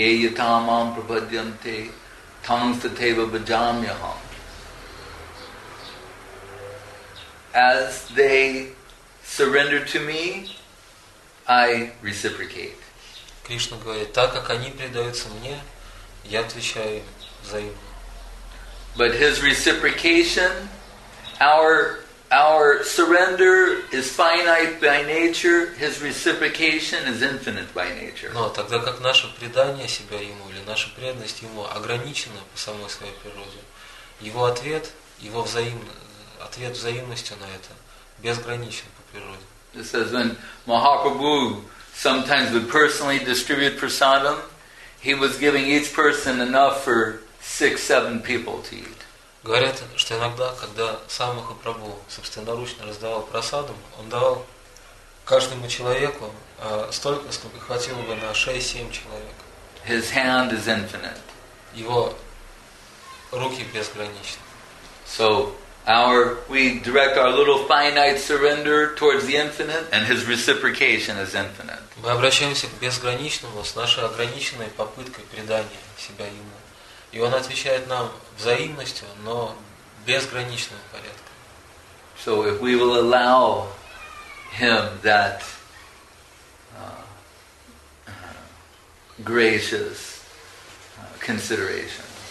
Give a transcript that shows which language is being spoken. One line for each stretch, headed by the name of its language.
Sanskrit: Ейятамам прападьянте тангстатева баджамьяхам.
English: As they surrender to me, I reciprocate.
Russian: Кришна говорит, так как они предаются мне, я отвечаю взаимно.
English: But his reciprocation, our surrender is finite by nature, his reciprocation is infinite by nature.
Russian: Но тогда как наше предание себя ему или наша преданность ему ограничена по самой своей природе, его ответ, его ответ взаимностью на это безграничен по природе.
English: It says when Mahaprabhu sometimes would personally distribute prasadam, he was giving each person enough for 6-7 people to eat.
Russian: Говорят, что иногда, когда сам Махапрабху собственноручно раздавал прасадам, он давал каждому человеку столько, сколько хватило бы на 6-7 человек.
English: His hand is infinite.
Russian: Его руки безграничны.
English: So we direct our little finite surrender towards the infinite, and his reciprocation is infinite.
Russian: Мы обращаемся к безграничному с нашей ограниченной попыткой предания себя ему. И он отвечает нам взаимностью, но безграничным порядком.
English: So if we will allow him that gracious consideration.